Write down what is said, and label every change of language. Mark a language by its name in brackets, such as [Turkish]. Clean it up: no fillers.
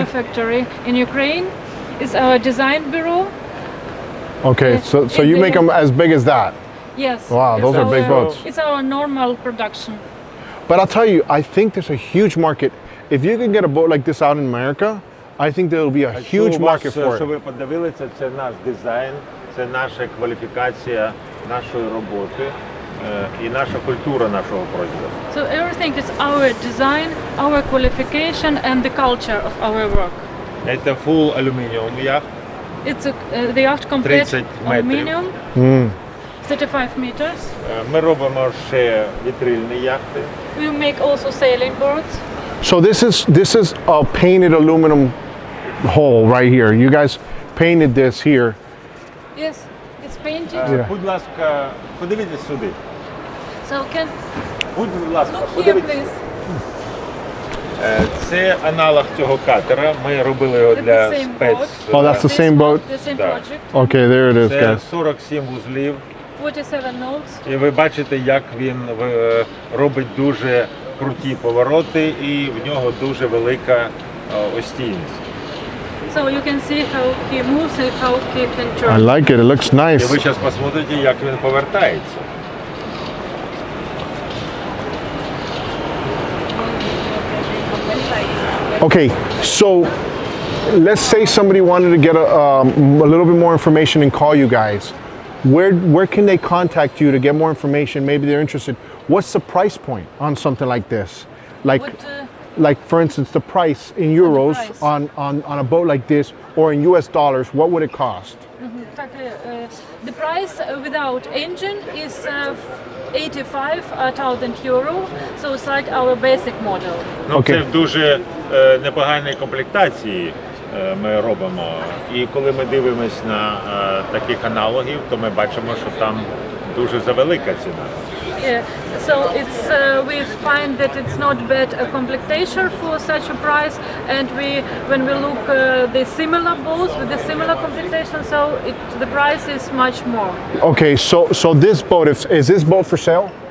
[English] Yes, it's our factory in Ukraine. It's our design bureau. Okay, so you make them as big as that? Yes. Wow, those are big boats. It's our normal production. But I'll tell you, I think there's a huge market. If you can get a boat like this out in America, I think there will be a huge market for it. [Ukrainian] Якщо ви подивилися, це наш дизайн, це наша кваліфікація нашої роботи. І наша культура нашого производства. [English] So everything is our design, our qualification and the culture of our work. [Ukrainian] Це [English] full aluminium yacht. It's the yacht complete aluminium. Mm. 35 meters. [Ukrainian] Ми робимо ще вітрильні яхти. [English] We make also sailing boats. So this is a painted aluminum hull right here. You guys painted this here. Yes. [Ukrainian] Будь ласка, подивіться сюди. Це аналог цього катера. Ми робили його для спец. [English] Oh, that's the same boat. The same project. Okay, there it is, guys. [Ukrainian] 47 вузлів. [English] 47 knots. [Ukrainian] І ви бачите, як він робить дуже круті повороти, і в нього дуже велика остійність. [English] So you can see how he moves and how he can turn. I like it. It looks nice. [Ukrainian] І ви зараз посмотрите, як він повертається. [English] Okay, so let's say somebody wanted to get a little bit more information and call you guys. Where can they contact you to get more information? Maybe they're interested. What's the price point on something like this? Like, for instance, the price in euros on a boat like this, or in US dollars, what would it cost? Mm-hmm. The price without engine is 85,000 euro, so it's like our basic model. [Ukrainian] Ну, це в дуже непоганій комплектації ми робимо. І коли ми дивимось на таких аналогів, то ми бачимо, що там дуже завелика ціна. [English] Yeah, so it's we find that it's not bad a complication for such a price, and we when we look the similar boats with the similar complication, so it the price is much more. Okay, so this boat is this boat for sale?